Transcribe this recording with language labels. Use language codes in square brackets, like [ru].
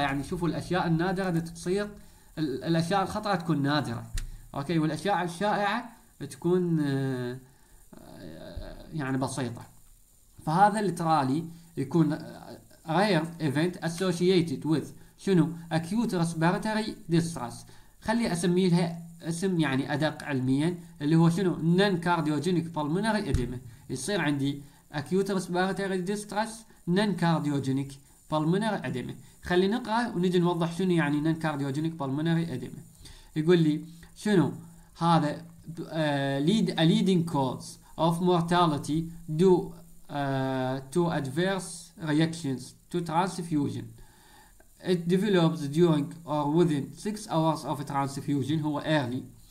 [ar] يعني شوفوا الاشياء النادره تصير، الاشياء الخطره تكون نادره اوكي، والاشياء الشائعه تكون يعني بسيطة. فهذا الترالي يكون [en] rare event associated with [ar] شنو؟ [en] acute respiratory distress، [ar] خلي أسمي لها اسم يعني أدق علميا، اللي هو شنو؟ [en] non cardiogenic pulmonary edema. [ar] يصير عندي [en] acute respiratory distress non cardiogenic pulmonary edema. [ar] خلي نقرأ ونجي نوضح شنو يعني non cardiogenic pulmonary edema. يقول لي شنو هذا؟ [en] a leading cause of mortality due to adverse reactions to transfusion. It develops during or within 6 hours of transfusion. [ar] هو early.